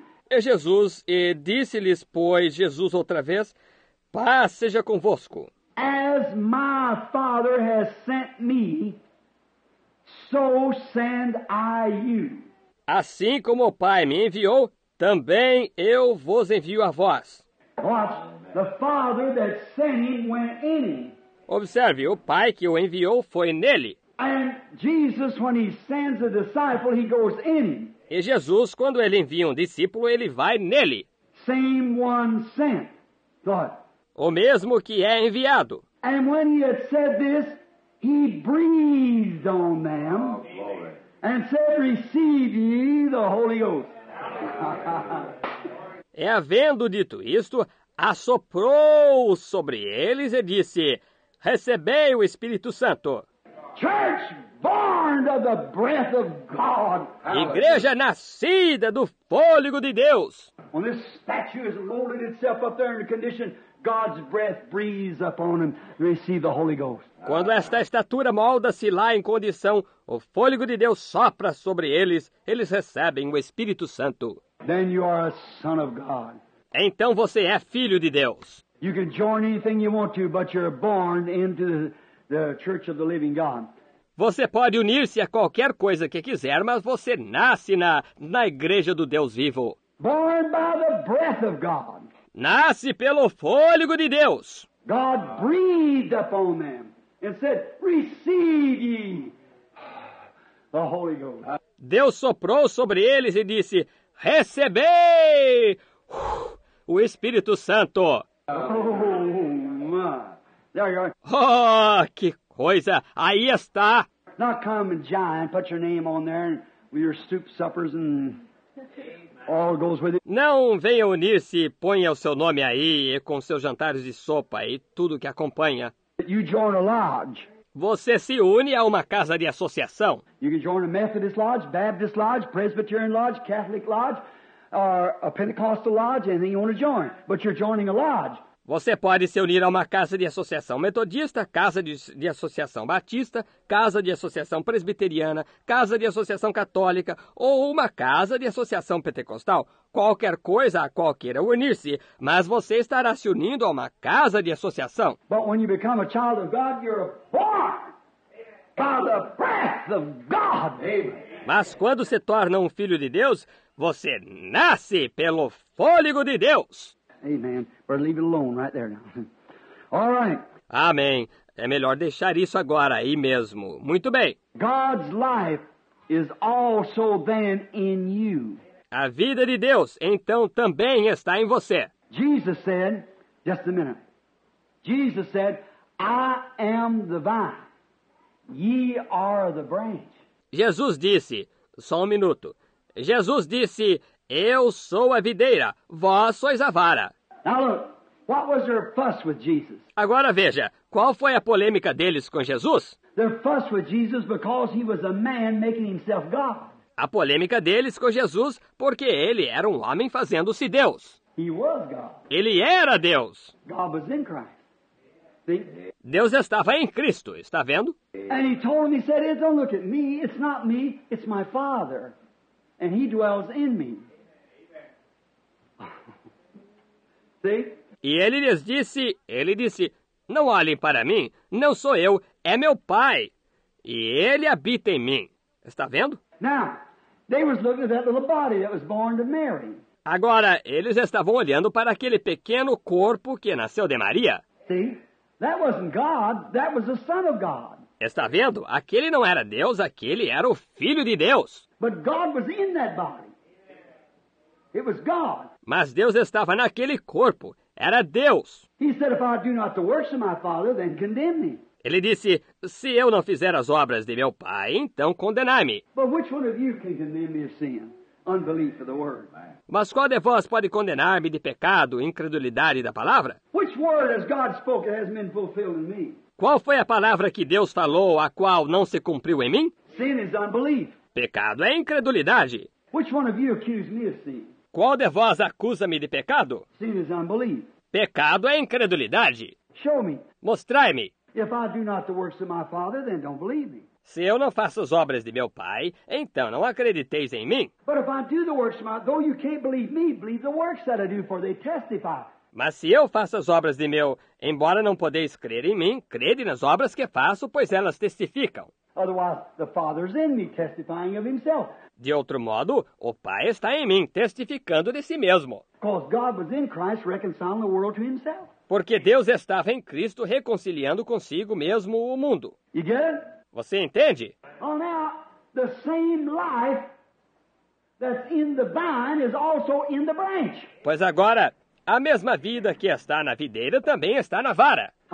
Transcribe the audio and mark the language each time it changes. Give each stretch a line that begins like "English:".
Portuguese: E Jesus, e disse-lhes, pois, Jesus outra vez, paz seja convosco.
English: As my Father has sent me, so send I you.
Portuguese: Assim como o Pai me enviou, também eu vos envio a vós.
English: Watch, the Father that sent him went in him.
Portuguese: Observe, o Pai que o enviou foi nele.
English: And Jesus, when he sends a disciple, he goes in him.
Portuguese: E Jesus, quando ele envia um discípulo, ele vai nele.
English: Same one sent. God.
Portuguese: O mesmo que é enviado.
English: And when he had said this, he breathed on them and said, receive ye the Holy Ghost.
Portuguese: E havendo dito isto, assoprou sobre eles e disse, recebei o Espírito Santo.
English: Church born of the breath of God.
Portuguese: Igreja nascida do fôlego de Deus.
English: When this statue has molded itself up there in the condition, God's breath breathes upon him, receive the Holy Ghost.
Portuguese: Quando esta estatura molda-se lá em condição, o fôlego de Deus sopra sobre eles, eles recebem o Espírito Santo.
English: Then you are a son of God.
Portuguese: Então você é filho de Deus.
English: You can join anything you want to, but you're born into the church of the living God.
Portuguese: Você pode unir-se a qualquer coisa que quiser, mas você nasce na igreja do Deus vivo.
English: Born by the breath of God.
Portuguese: Nasce pelo fôlego de Deus.
English: God breathed upon them and said, receive ye the Holy Ghost.
Portuguese: Deus soprou sobre eles e disse, recebei o Espírito Santo.
English: Oh, my. There you are.
Portuguese: Oh, que coisa. Aí está.
English: Now come and giant, put your name on there and with your soup suppers and... All goes with it.
Portuguese: Não venha unir-se e ponha o seu nome aí com seus jantares de sopa e tudo que acompanha.
English: You join a lodge.
Portuguese: Você se une a uma casa de associação.
English: You can join a Methodist lodge, Baptist lodge, Presbyterian lodge, Catholic lodge, or a Pentecostal lodge, anything you want to join. But you're joining a lodge.
Portuguese: Você pode se unir a uma casa de associação metodista, casa de associação batista, casa de associação presbiteriana, casa de associação católica ou uma casa de associação pentecostal. Qualquer coisa a qual queira unir-se, mas você estará se unindo a uma casa de associação.
English: But when you become a child of God, you're born by the breath of God.
Portuguese: Mas quando se torna um filho de Deus, você nasce pelo fôlego de Deus.
English: Amen. Better leave it alone right there now. All right.
Portuguese: Amém. É melhor deixar isso agora aí mesmo. Muito bem.
English: God's life is also then in you.
Portuguese: A vida de Deus, então, também está em você.
English: Jesus said, just a minute. Jesus said, I am the vine. Ye are the branch.
Portuguese: Jesus disse, só um minuto. Jesus disse, eu sou a videira, vós sois a vara.
English: Now look, what was their fuss with Jesus?
Portuguese: Agora veja, qual foi a polêmica deles com Jesus?
English: Their fuss with Jesus because he was a man making himself God.
Portuguese: A polêmica deles com Jesus porque ele era um homem fazendo-se Deus.
English: He was God.
Portuguese: Ele era Deus.
English: God was in Christ. See?
Portuguese: Deus estava em Cristo, está vendo?
English: And he told him, he said, hey, don't look at me, it's not me, it's my Father. And he dwells in me. See?
Portuguese: E ele lhes disse, não olhem para mim, não sou eu, é meu Pai. E ele habita em mim. Está vendo?
English: Now, they was looking at that little body that was born to Mary.
Portuguese: Agora, eles estavam olhando para aquele pequeno corpo que nasceu de Maria.
English: See? That wasn't God, that was the Son of God.
Portuguese: Está vendo? Aquele não era Deus, aquele era o Filho de Deus.
English: But God was in that body. It was God.
Portuguese: Mas Deus estava naquele corpo. Era Deus.
English: He said, if I do not the works of my Father, then condemn me.
Portuguese: Ele disse, se eu não fizer as obras de meu Pai, então condenai-me.
English: But which one of you can condemn me of sin? Unbelief of the word.
Portuguese: Mas qual de vós pode condenar-me de pecado, incredulidade da palavra?
English: Which word has God spoken that has been fulfilled in me?
Portuguese: Qual foi a palavra que Deus falou, a qual não se cumpriu em mim?
English: Sin is unbelief.
Portuguese: Pecado é incredulidade.
English: Which one of you accuse me of sin?
Portuguese: Qual de vós acusa-me de pecado?
English: Sin is unbelief.
Portuguese: Pecado é incredulidade.
English: Show me.
Portuguese: Mostrai-me.
English: If I do not the works of my Father, then don't believe me.
Portuguese: Se eu não faço as obras de meu Pai, então não acrediteis em mim.
English: But if I do the works of my, though you can't believe me, believe the works that I do, for they testify.
Portuguese: Mas se eu faço as obras de meu, embora não podeis crer em mim, crede nas obras que faço, pois elas testificam.
English: Otherwise, the Father's in me, testifying of himself.
Portuguese: De outro modo, o Pai está em mim, testificando de si mesmo.
English: Because God was in Christ reconciling the world to himself.
Portuguese: Porque Deus estava em Cristo reconciliando consigo mesmo o mundo.
English: You get it?
Portuguese: Você entende?
English: Well, now, the same life that's in the vine is also in the branch.
Portuguese: Pois agora, a mesma vida que está na videira também está na vara.